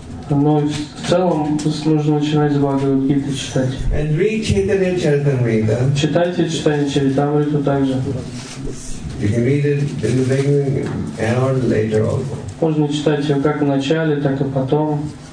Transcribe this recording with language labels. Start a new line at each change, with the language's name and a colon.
Russian: Но в целом нужно начинать с Бхагавад-гиты читать. Читайте читание Чаритамриту также.
English: You can read it in the beginning and later also.
Russian: Можно читать ее как в начале, так и потом.